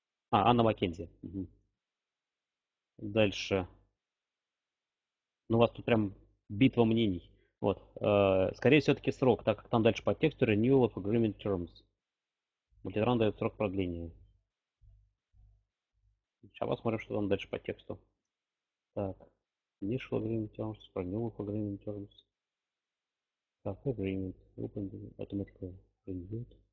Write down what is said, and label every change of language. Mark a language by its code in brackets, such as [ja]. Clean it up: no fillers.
[ru] А, Анна Маккензи. Угу. Дальше. Ну, у вас тут прям битва мнений. Вот. Скорее, все-таки срок, так как там дальше по тексту [en] Renewal of Agreement Terms. [ru] Мультитран дает срок продления. Сейчас посмотрим, что там дальше по тексту. Так. [en] Initial agreement terms, for new agreement terms. [ru] Так, agreement. [en] Open the automatic agreement.